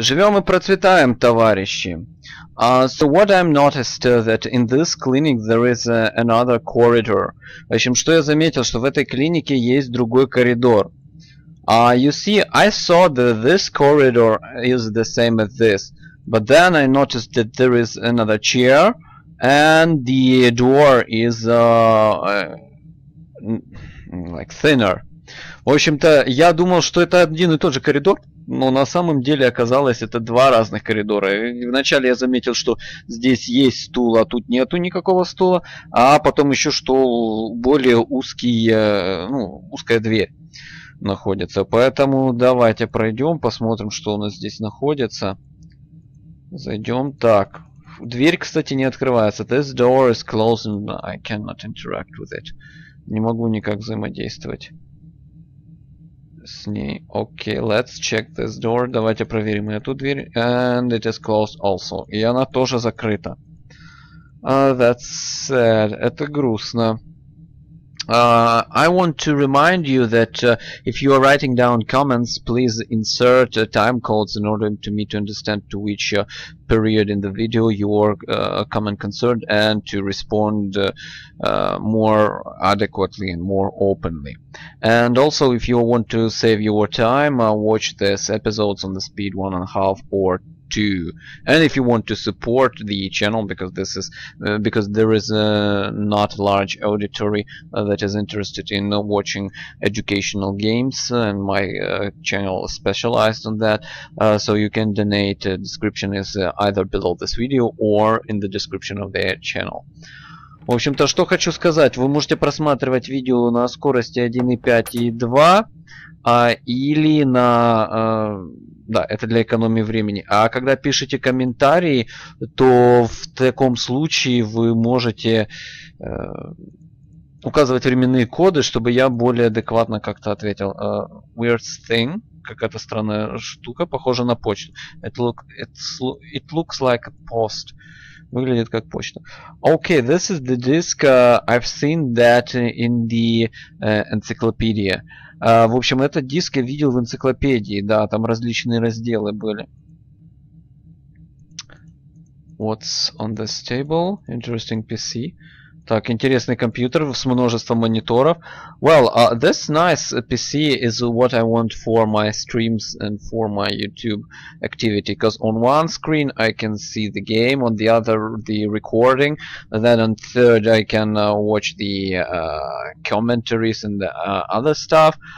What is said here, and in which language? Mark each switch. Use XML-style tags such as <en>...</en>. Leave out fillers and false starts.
<ru>Живем и процветаем, товарищи.</ru> <en>So what I'm noticed that in this clinic there is another corridor.</en> <ru>В общем, что я заметил, что в этой клинике есть другой коридор.</ru> <en>You see, I saw that this corridor is the same as this. But then I noticed that there is another chair and the door is like thinner.</en> <ru>В общем-то, я думал, что это один и тот же коридор, но на самом деле оказалось, это два разных коридора. Вначале я заметил, что здесь есть стул, а тут нету никакого стула, а потом еще, что более узкий, ну, узкая дверь находится. Поэтому давайте пройдем, посмотрим, что у нас здесь находится. Зайдем. Так, дверь, кстати, не открывается.</ru> <en>This door is closed, I cannot interact with it.</en> <ru>Не могу никак взаимодействовать с ней.</ru> <en>Окей, let's check this door.</en> <ru>Давайте проверим эту дверь.</ru> <en>And it is closed also.</en> <ru>И она тоже закрыта.</ru> <en>That's sad.</en> <ru>Это грустно.</ru> <en>I want to remind you that if you are writing down comments, please insert time codes in order to me to understand to which period in the video your comment concerned and to respond more adequately and more openly. And also, if you want to save your time, watch these episodes on the speed 1.5 or 2. And if you want to support the channel, because this is because there is a not large auditory that is interested in watching educational games, and my channel is specialized on that, so you can donate. Description is either below this video or in the description of their channel.</en> <ru>В общем-то, что хочу сказать, вы можете просматривать видео на скорости 1.5 и 2, или на да, это для экономии времени. А когда пишете комментарии, то в таком случае вы можете указывать временные коды, чтобы я более адекватно как-то ответил.</ru> <en>Weird thing.</en> <ru>Какая-то странная штука, похожа на почту.</ru> <en>It looks like a post.</en> <ru>Выглядит как почта.</ru> <en>Okay, this is the disc. I've seen that in the encyclopedia.</en> <ru>В общем, этот диск я видел в энциклопедии, да, там различные разделы были.</ru> <en>What's on this table? Interesting PC.</en> <ru>Так, интересный компьютер с множеством мониторов.</ru> <en>Well, this nice PC is what I want for my streams and for my YouTube activity. Because on one screen I can see the game, on the other the recording. And then on third I can watch the commentaries and the, other stuff.</en>